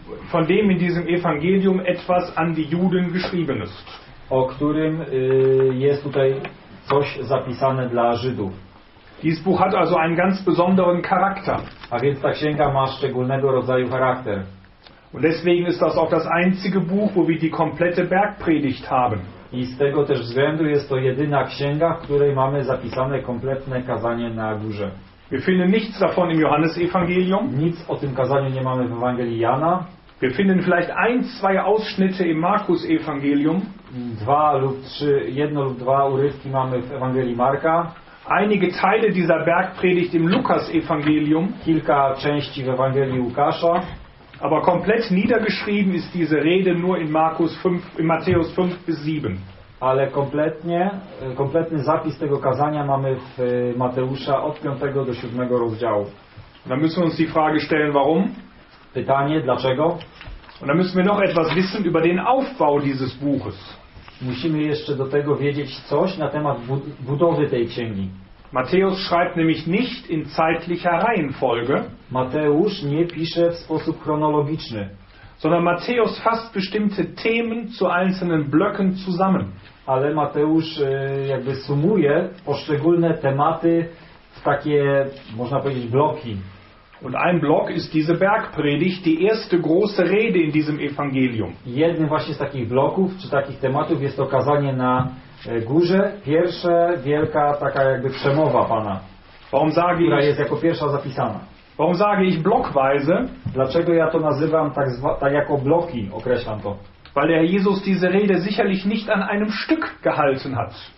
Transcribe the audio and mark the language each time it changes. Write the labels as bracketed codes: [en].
[de] von dem in diesem Evangelium etwas an die Juden geschrieben ist. [pl] O którym jest tutaj coś zapisane dla Żydów. [de] Dieses Buch hat also einen ganz besonderen Charakter. [pl] A więc ta księga ma szczególnego rodzaju charakter. [de] Und deswegen ist das auch das einzige Buch, wo wir die komplette Bergpredigt haben. [pl] I z tego też względu jest to jedyna księga, w której mamy zapisane kompletne kazanie na górze. [de] Wir finden nichts davon im Johannesevangelium. [pl] Nic o tym kazaniu nie mamy w Ewangelii Jana. [de] Wir finden vielleicht 1-2 Ausschnitte im Markus-Evangelium. [pl] 1 lub 2 urywki mamy w Ewangelii Marka. [de] Einige Teile dieser Bergpredigt im Lukas-Evangelium. [pl] Kilka części w Ewangelii Łukasza. [de] Aber komplett niedergeschrieben ist diese Rede nur in Matthäus 5 bis 7. [pl] Ale kompletny zapis tego kazania mamy w Mateusza od 5 do 7 rozdziału. [de] Da müssen wir uns die Frage stellen, warum? [pl] Pytanie, dlaczego? [de] Und da müssen wir noch etwas wissen über den Aufbau dieses Buches. [pl] Musimy jeszcze do tego wiedzieć coś na temat budowy tej księgi. [de] Matthäus schreibt nämlich nicht in zeitlicher Reihenfolge. [pl] Mateusz nie pisze w sposób chronologiczny, [de] sondern Matthäus fasst bestimmte Themen zu einzelnen Blöcken zusammen. [pl] Ale Mateusz jakby sumuje poszczególne tematy w takie, można powiedzieć, bloki. [de] Und ein Block ist diese Bergpredigt, die erste große Rede in diesem Evangelium. [pl] Jeden właśnie z takich bloków czy takich tematów jest to kazanie na górze, pierwsza wielka taka jakby przemowa Pana. [de] Warum sage [pl] która [de] ich, [pl] jest jako pierwsza zapisana. [de] Warum sage ich blockweise? [pl] Dlaczego ja to nazywam tak jako bloki, określam to? [de] Weil der Jesus diese Rede sicherlich nicht an einem Stück gehalten hat.